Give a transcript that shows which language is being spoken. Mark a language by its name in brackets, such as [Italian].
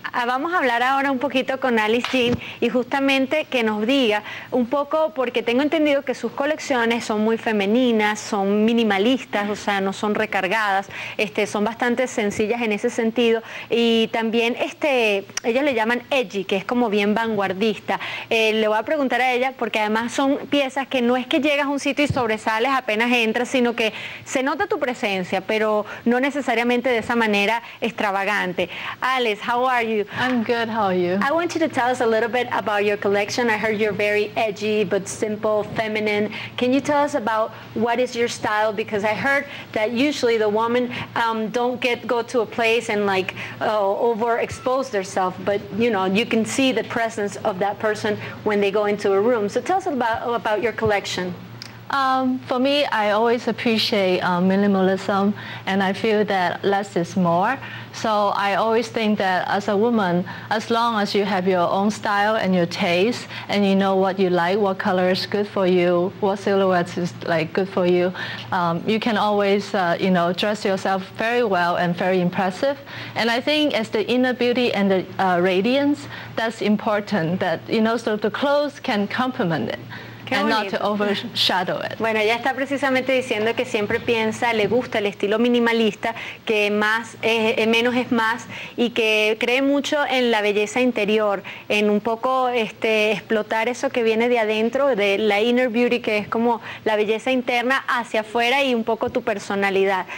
[Spanish] Vamos a hablar ahora un poquito con Alice Jean y justamente que nos diga un poco, porque tengo entendido que sus colecciones son muy femeninas, son minimalistas, o sea, no son recargadas, son bastante sencillas en ese sentido, y también ellos le llaman edgy, que es como bien vanguardista. Le voy a preguntar a ella, porque además son piezas que no es que llegas a un sitio y sobresales apenas entras, sino que se nota tu presencia, pero no necesariamente de esa manera extravagante. [English] Alice, how are you? I'm good, how are you? I want you to tell us a little bit about your collection. I heard you're very edgy, but simple, feminine. Can you tell us about what is your style? Because I heard that usually the woman don't go to a place and like overexpose themselves, but you know, you can see the presence of that person when they go into a room. So tell us about your collection. For me, I always appreciate minimalism, and I feel that less is more. So I always think that as a woman, as long as you have your own style and your taste, and you know what you like, what color is good for you, what silhouettes is like good for you, you can always dress yourself very well and very impressive. And I think as the inner beauty and the radiance, that's important, that you know, so the clothes can complement it. And not to overshadow it. [Spanish] Bueno, ella está precisamente diciendo que siempre piensa, le gusta el estilo minimalista, que menos es más, y que cree mucho en la belleza interior, en un poco explotar eso que viene de adentro, de la [English] inner beauty, [Spanish] que es como la belleza interna hacia afuera y un poco tu personalidad.